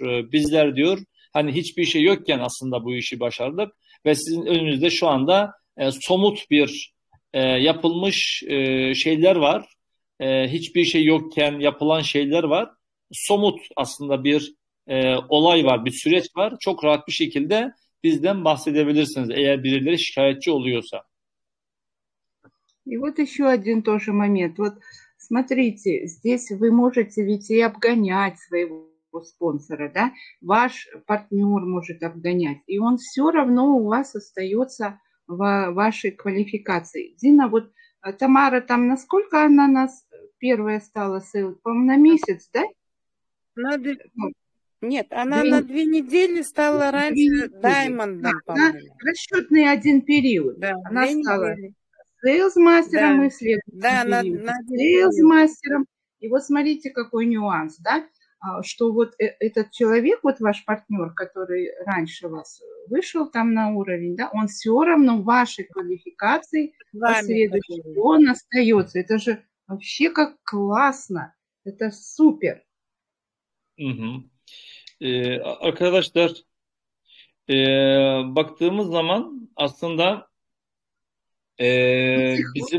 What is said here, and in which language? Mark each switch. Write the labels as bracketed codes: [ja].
[tr] Bizler diyor hani hiçbir şey yokken aslında bu işi başardık ve sizin önünüzde şu anda somut bir yapılmış şeyler var. Hiçbir şey yokken yapılan şeyler var. Somut aslında bir olay var, bir süreç var. Çok rahat bir şekilde bizden bahsedebilirsiniz eğer birileri şikayetçi oluyorsa. [ru] И вот еще один тоже момент. Вот смотрите, здесь вы можете ведь и обгонять своего спонсора, да? Ваш партнер может обгонять, и он все равно у вас остается в вашей квалификации. Дина, вот Тамара там на сколько она нас первая стала, по-моему, на месяц, да? Нет, она две на две недели стала раньше недели. Даймондом, по-моему. Расчетный один период. Да, она стала сейлс-мастером, да. И следующий период. Да, сейлс-мастером. И вот смотрите, какой нюанс, да? Что вот этот человек, вот ваш партнер, который раньше вас вышел там на уровень, да, он все равно в вашей квалификации последующий, он остается. Это же вообще как классно. Это супер. Угу. [tr] Arkadaşlar, baktığımız zaman aslında bizim